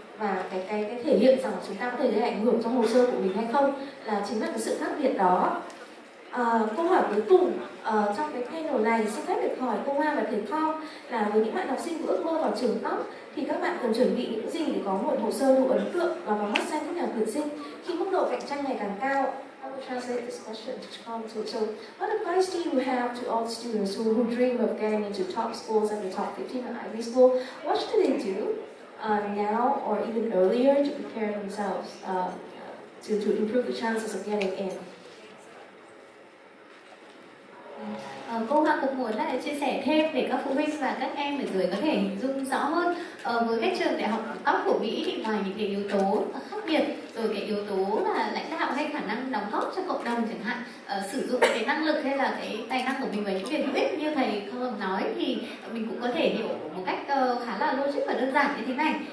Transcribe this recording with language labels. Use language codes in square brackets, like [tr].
[vi] Và cái thể hiện rằng chúng ta có thể gây ảnh hưởng trong hồ sơ của mình hay không là chính là cái sự khác biệt đó. Câu hỏi cuối cùng trong cái panel này xin phép được hỏi cô Hoa và thầy Phong là với những bạn học sinh ước mơ vào trường top thì các bạn cần chuẩn bị những gì để có một hồ sơ đủ ấn tượng và vào mắt xanh các nhà tuyển sinh khi mức độ cạnh tranh ngày càng cao? [en] I will translate this question to Tom. So what advice do you have to all students who dream of getting into top schools and the top 15 at Ivy School? What should they do now or even earlier to prepare themselves to improve the chances of getting in? [vi] Cô Hoa cũng muốn lại chia sẻ thêm để các phụ huynh và các em ở dưới có thể hình dung rõ hơn với các trường đại học top của Mỹ thì ngoài những cái yếu tố khác biệt rồi cái yếu tố là lãnh đạo hay khả năng đóng góp cho cộng đồng chẳng hạn, sử dụng cái năng lực hay là cái tài năng của mình và những việc hữu ích như thầy không nói thì mình cũng có thể hiểu một cách khá là logic và đơn giản như thế này.